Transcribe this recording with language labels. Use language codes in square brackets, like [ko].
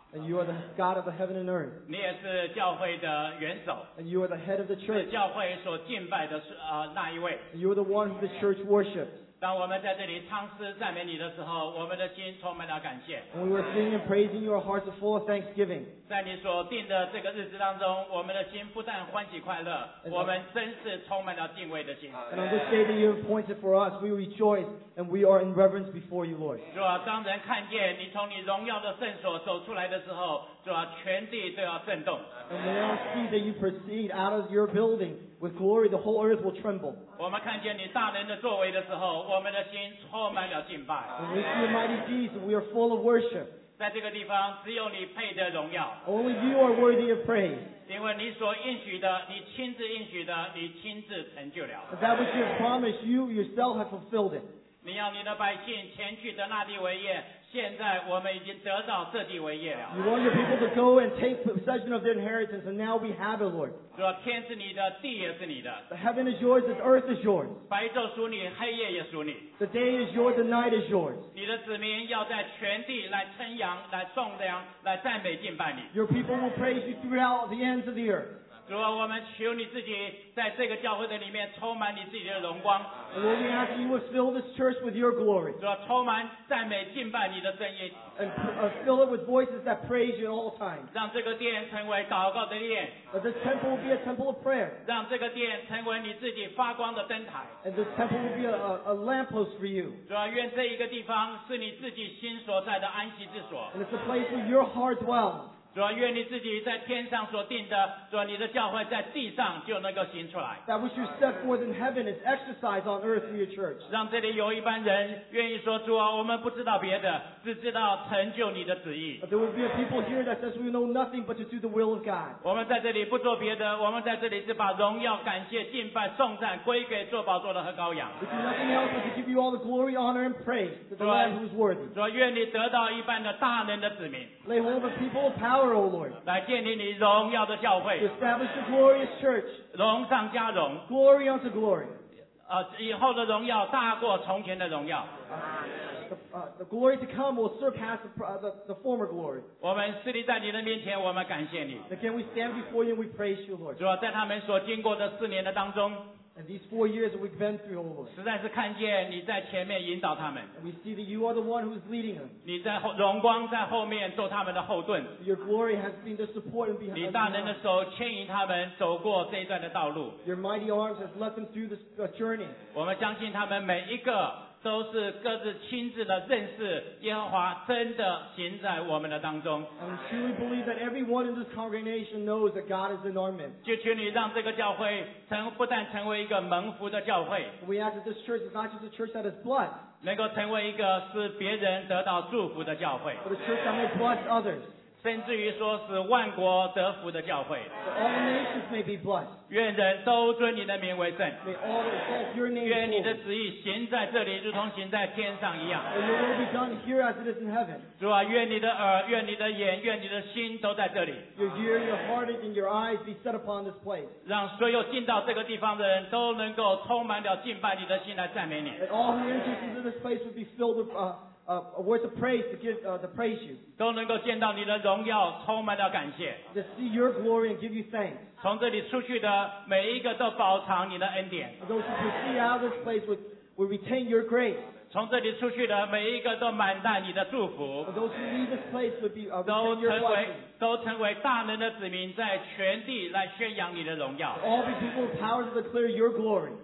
[en] And you are the God of the heaven and earth. [zh] 你也是教会的元首。 [en] And you are the head of the church. [zh] 是教会所敬拜的那一位。 [en] And you are the one who the church worships. [zh] 当我们在这里唱诗赞美你的时候，我们的心充满了感谢。 [en] And we were singing and praising you, our hearts are full of thanksgiving. [zh] 在你所定的这个日子当中，我们的心不但欢喜快乐，我们真是充满了敬畏的心。 [en] And on this day that you appointed for us, we rejoice. And we are in reverence before you, Lord. [zh] 主啊，当人看见你从你荣耀的圣所走出来的时候，主啊，全地都要震动。 [en] And when I see that you proceed out of your building with glory, the whole earth will tremble. [zh] 我们看见你大能的作为的时候，我们的心充满了敬拜。 [en] When we see a mighty deed, we are full of worship. [zh] 在这个地方，只有你配得荣耀。 [en] Only you are worthy of praise. [zh] 因为你所应许的，你亲自应许的，你亲自成就了。 [en] But that which you have promised, you yourself have fulfilled it. [zh] 你要你的百姓前去得那地为业，现在我们已经得到这地为业了。 [en] You want your people to go and take possession of their inheritance, and now we have it, Lord. [zh] 主啊，天是你的，地也是你的。 [en] The heaven is yours, the earth is yours. [zh] 白昼属你，黑夜也属你。 [en] The day is yours, the night is yours. [zh] 你的子民要在全地来称扬、来颂扬、来赞美敬拜你。 [en] Your people will praise you throughout the ends of the earth. [zh] 主啊，我们求你自己在这个教会的里面充满你自己的荣光。 [en] Lord, we ask you to fill this church with your glory. [zh] 主啊，充满赞美敬拜你的声音。 [en] And fill it with voices that praise you at all times. [zh] 让这个殿成为祷告的殿。 [en] Let this temple will be a temple of prayer. [zh] 让这个殿成为你自己发光的灯台。 [en] And this temple will be a lamppost for you. [zh] 主啊，愿这一个地方是你自己心所在的安息之所。 [en] And it's a place where your heart dwells. [zh] 主啊，愿你自己在天上所定的，主啊，你的教会在地上就能够行出来。 [en] That which you set forth in heaven is exercised on earth through your church. [zh] 让这里有一班人愿意说，主啊，我们不知道别的，只知道成就你的旨意。 [en] But there will be a people here that says we know nothing but to do the will of God. [zh] 我们在这里不做别的，我们在这里是把荣耀、感谢、敬拜、颂赞归给做宝座的和羔羊。 [en] We do nothing else but to give you all the glory, honor, and praise to the Lamb who is worthy. [zh] 主啊，愿你得到一班的大能的子民。 [en] Lay hold of a people of power. [zh] 来建立你荣耀的教会 [en] establish a glorious church [zh] 荣上加荣 [en] glory unto glory [zh] 以后的荣耀大过从前的荣耀 [en] the glory to come will surpass the former glory [zh] 我们侍立在你的面前我们感谢你 [en] Again, we stand before you and we praise you Lord [zh] 主要在他们所经过的四年的当中 [en] And these 4 years we've been through, O Lord. [zh] 实在是看见你在前面引导他们。 [en] We see that you are the one who is leading them. [zh] 你在后荣光在后面做他们的后盾。 [en] Your glory has been the support and behind. [zh] 你大能的手牵引他们走过这一段的道路。 [en] Your mighty arms has led them through this journey. [zh] 我们相信他们每一个都是各自亲自的认识耶和华真的行在我们的当中。 [en] I truly believe that everyone in this congregation knows that God is in our midst. [zh] 就求你让这个教会不但成为一个蒙福的教会。 [en] We ask that this church is not just a church that is blessed. [zh] 能够成为一个是别人得到祝福的教会。 [en] But a church that may bless others. [zh] 甚至于说是万国得福的教会。 [en] All nations may be blessed. [zh] 愿人都尊你的名为圣。 [en] May all exalt your name. [zh] 愿你的旨意行在这里，如同行在天上一样。 [en] May your will be done here as it is in heaven. [zh] 主啊，愿你的耳，愿你的眼，愿你的心都在这里。 [en] Your ear, your heart, and your eyes be set upon this place. [zh] 让所有进到这个地方的人都能够充满了敬拜你的心来赞美你。 [en] That all who enter into this place would be filled with. A word of praise to give to praise you. [zh] 都能够见到你的荣耀，充满了感谢。 [en] To see your glory and give you thanks. [zh] 从这里出去的每一个都饱尝你的恩典。 [en] Those who see out of this place will retain your grace. [zh] 从这里出去的每一个都满带你的祝福。 [en] Those who leave this place would be retain your blessing. [zh] 都成为大能的子民，在全地来宣扬你的荣耀。 [en] All the people with power to declare your glory.